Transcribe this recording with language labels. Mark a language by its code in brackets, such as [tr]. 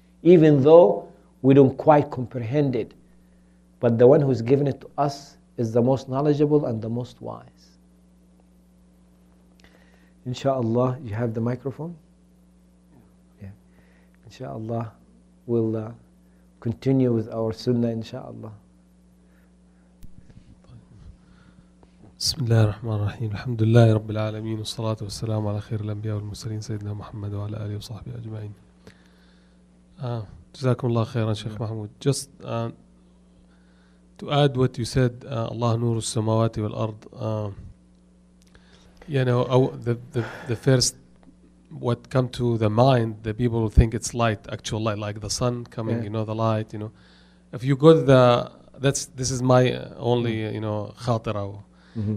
[en] Even though we don't quite comprehend it. But the one who's given it to us is the most knowledgeable and the most wise. Inshallah, you have the microphone? Yeah. Inshallah, we'll continue with our sunnah, inshallah. [ar] بسم الله الرحمن الرحيم الحمد لله رب العالمين والصلاة والسلام على خير الأنبياء والمرسلين سيدنا محمد وعلى آله وصحبه أجمعين. جزاكم الله خيرا شيخ محمود. [en] Just to add what you said, Allah [ar] نور السماوات والأرض. [en] You know, the first what come to the mind, the people will think it's light, actual light, like the sun coming. Yeah. You know, the light. You know, if you go to the this is my only you know خاطرة. Mm-hmm.